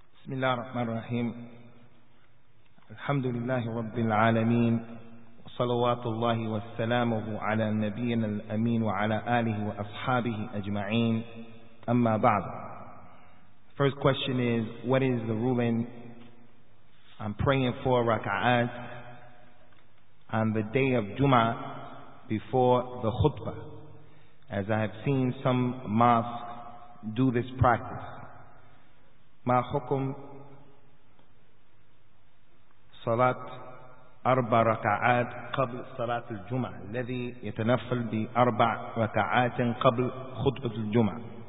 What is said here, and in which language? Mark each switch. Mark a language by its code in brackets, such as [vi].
[ar] بسم الله الرحمن الرحيم الحمد لله رب العالمين صلوات الله وسلامه على نبينا الأمين وعلى آله وأصحابه أجمعين أما بعد. [en] First question is, what is the ruling? I'm praying for raka'at on the day of Jum'ah before the khutbah, as I have seen some mosques do this practice. [ar] ما حكم صلاة أربع ركعات قبل صلاة الجمعة الذي يتنفل بأربع ركعات قبل خطبة الجمعة؟